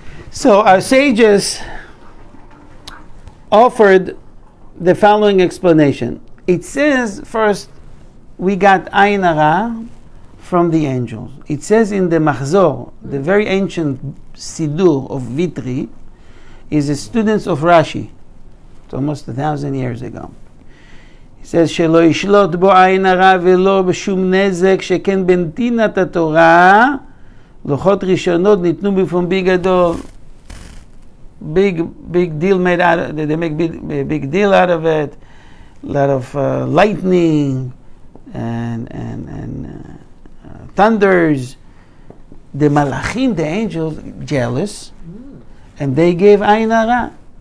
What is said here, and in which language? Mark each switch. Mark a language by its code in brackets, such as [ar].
[en] So, our sages offered the following explanation. It says, first, we got Ayin Hara from the angels. It says in the Machzor, the very ancient Siddur of Vitri, is the students of Rashi. It's almost 1,000 years ago. [he] It says שלא ישלוט בו עין הרע ולא בשום נזק שכן בנתינת התורה לוחות ראשונות ניתנו בפומבי גדול. [en] Big deal made out of it. They make big deal out of it. Lot of lightning and thunders. The malachim, the angels, jealous. And they gave עין הרע.